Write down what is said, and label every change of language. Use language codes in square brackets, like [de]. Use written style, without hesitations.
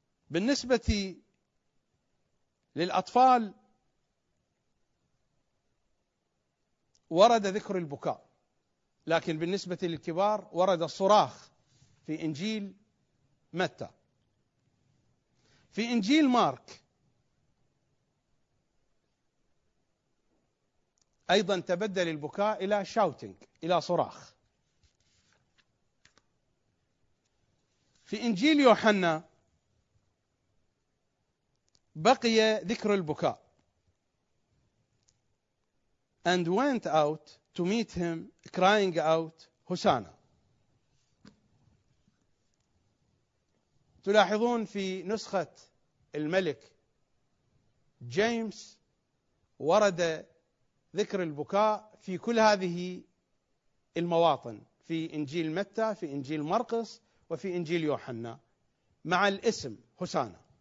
[ar] بالنسبة للأطفال ورد ذكر البكاء، لكن بالنسبة للكبار ورد الصراخ في إنجيل متى. في إنجيل مارك أيضا تبدل البكاء إلى shouting، إلى صراخ. في إنجيل يوحنا بقي ذكر البكاء [en] and went out to meet him crying out [ar] هوسانا. تلاحظون في نسخة الملك جيمس ورد ذكر البكاء في كل هذه المواطن، في إنجيل متى، في إنجيل مرقس، وفي إنجيل يوحنا مع الاسم هوسانا.